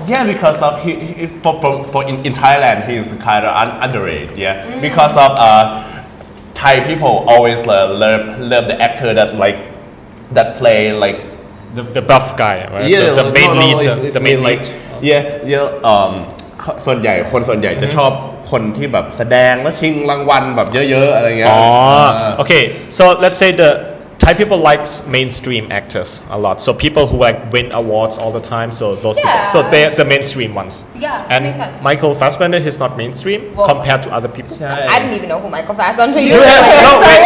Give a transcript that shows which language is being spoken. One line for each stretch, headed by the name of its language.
English: Yeah, because of in Thailand, he's kind of underrated. Yeah. Mm. Because of Thai people always love the actor that like that play like the buff guy, right? Yeah, the main lead, the main lead. Yeah, yeah.
Thai: ส่วนใหญ่คนส่วนใหญ่จะชอบคนที่แบบแสดงแล้วชิงรางวัลแบบเยอะๆอะไรเงี้ย
English: อ๋อโอเค so let's say the Thai people likes mainstream actors a lot so people who like win awards all the time so those yeah. people, so they're the mainstream ones yeah and makes sense. Michael Fassbender he's not mainstream well, compared to other people I didn't even know who Michael Fassbender you were like, no, wait,